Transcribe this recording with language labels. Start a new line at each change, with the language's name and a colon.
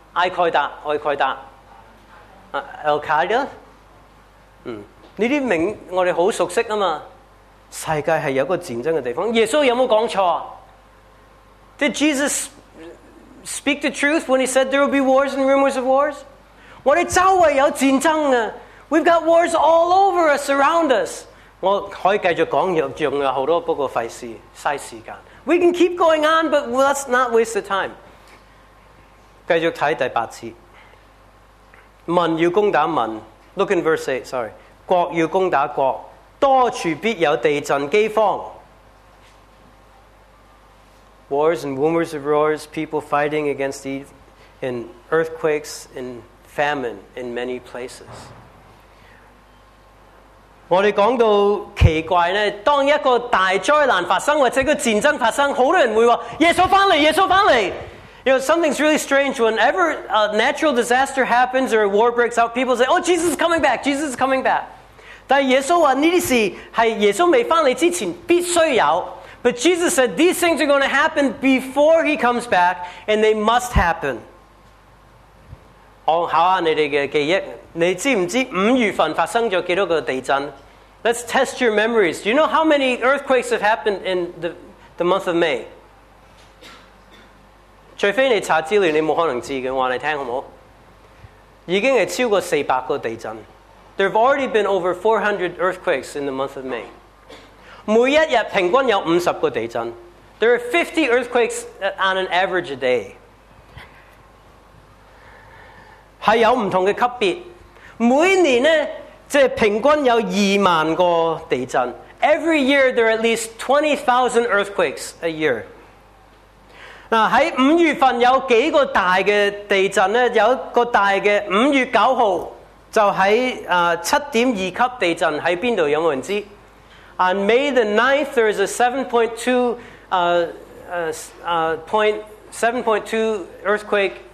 Chinese: Al-Qaeda 這些名字我們很熟悉嘛世界是有一個戰爭的地方耶穌有沒有說錯
English: Did Jesus speak the truth when he said there will be wars and rumors of wars?
Chinese: 我们周围有战争啊,
English: we've got wars all over us, around us.
Chinese: 我可以继续讲,还有很多, 不过费事, 浪费时间。
English: We can keep going on, but let's not waste the time.
Chinese: 继续看第八节。民要攻打民,
English: look in verse 8, sorry.
Chinese: 国要攻打国, 多处必有地震饥荒。
English: Wars and rumors of wars, people fighting against Eve, in earthquakes, in famine in many places.
Chinese: 我们讲到奇怪呢, 当一个大灾难发生或者一个战争发生, 很多人会说, 耶稣回来, 耶稣回来!
English: You know, something's really strange. Whenever a natural disaster happens or a war breaks out, people say, oh, Jesus is coming back, Jesus is coming back.
Chinese: 但耶稣说这些事是耶稣未回来之前必须有,
English: but Jesus said these things are going to happen before he comes back, and they must happen.
Chinese: 好啊,你们的记忆,你知不知五月份发生了多少个地震?
English: Let's test your memories. Do you know how many earthquakes have happened in the month of May?
Chinese: 除非你查资料,你没可能知道,我告诉你,好不好? 已经是超过400个地震.
English: There have already been over 400 earthquakes in the month of May.
Chinese: 每一天平均有50个地震.
English: There are 50 earthquakes on an average a day.
Chinese: 是有不同的级别.每年呢,平均有20,000个地震.
English: Every year, there are at least 20,000 earthquakes a year.
Chinese: 在5月份有几个大的地震呢? 有一个大的5月9号, 就在7.2级地震, 在哪里? 有没有人知?
English: On May the 9th, there is a 7.2 earthquake.